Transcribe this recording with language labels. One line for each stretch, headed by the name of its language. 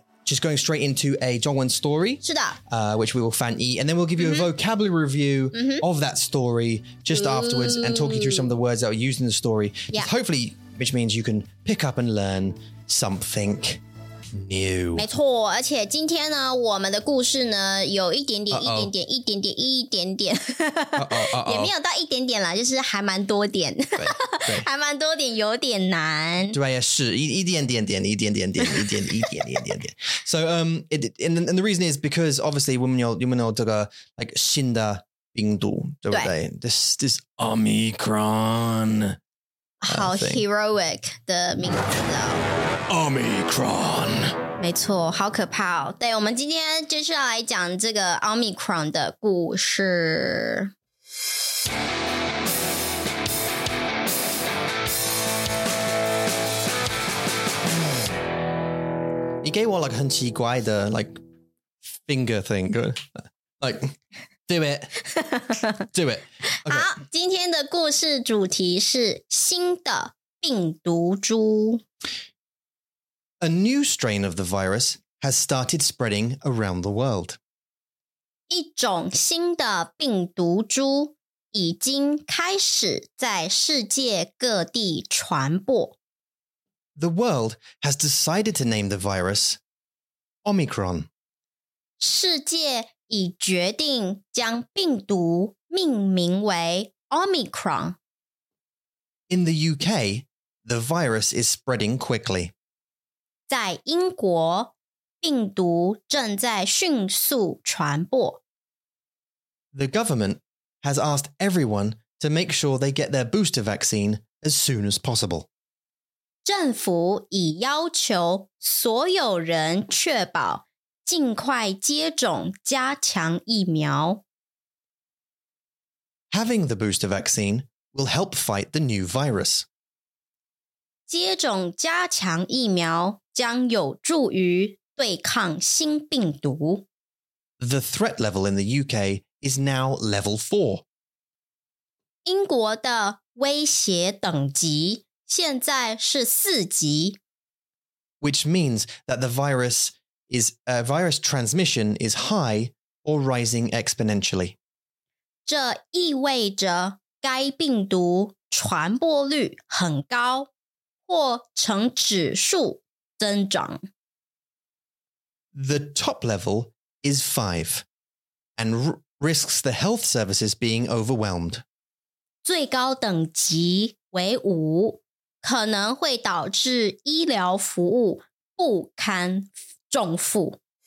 English: Just going straight into a 中文 story,
Chinese: 是的、
English: which we will
Chinese: 翻译
English: and then we'll give you、mm-hmm. a vocabulary review、mm-hmm. of that story just、mm-hmm. afterwards and talk you through some of the words that were used in the story,、 yeah. hopefully, which means you can pick up and learn something new.
Chinese: 没错，而且今天呢，我们的故事呢，有一点点、Uh-oh. 一点点、一点点、一点点、 Uh-oh. Uh-oh. 也没有到一点点啦，就是还蛮多点。还蛮多点有点难。对啊，是一点点点一点点点一点一点点点点。
English: So, and the reason is because obviously
Chinese: 我们有这个
English: like
Chinese: 新的病毒，对不对？
English: This Omicron. How heroic the
Chinese: 名字哦。
English: Omicron.
Chinese: 没错，好可怕哦。对，我们今天就是要来讲这个 Omicron 的故事。你给我
English: like
Chinese: 很奇怪的
English: like finger thing, like do it. Okay.
Chinese: 好，今天的故事主题是新的病毒株。
English: A new strain of the virus has started spreading around the world.
Chinese: 一种新的病毒株已经开始在世界各地传播。
English: The world has decided to name the virus Omicron.
Chinese: 世界已决定将病毒命名为 Omicron.
English: In the UK, the virus is spreading quickly.
Chinese: 在英国，病毒正在迅速传播。
English: The government has asked everyone to make sure they get their booster vaccine as soon as possible.
Chinese: 政府已要求所有人确保尽快接种加强疫苗。
English: Having the booster vaccine will help fight the new virus.
Chinese: 接种加强疫苗将有助于对抗新病毒。
English: The threat level in the UK is now level 4.
Chinese: 英国的威胁等级现在是四级。
English: Which means that the virus is, virus transmission is high or rising exponentially.
Chinese: 这意味着该病毒传播率很高或呈指数增长。
English: The top level is 5 and risks the health services being overwhelmed.
Chinese: 最高等级为5。可能会导致医疗服务不堪重负。